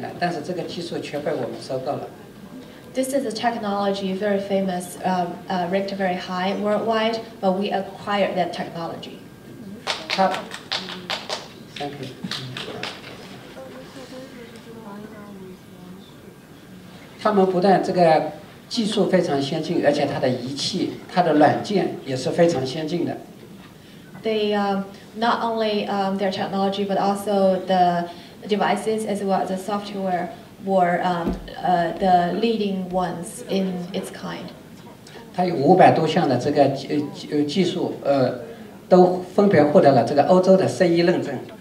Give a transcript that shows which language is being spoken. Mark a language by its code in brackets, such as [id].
[zh] 这套技术，它的这个所做的技术在世界上也是非常领先的，但是这个技术却被我们收购了。 [en] This is a technology very famous, ranked very high worldwide, but we acquired that technology. Thank you. [zh] 他们不但这个技术非常先进，而且它的仪器、它的软件也是非常先进的。 [en] They not only their technology, but also the devices as well as the software were the leading ones in its kind. [zh] 它有500多项的这个技术，都分别获得了这个欧洲的 CE 认证。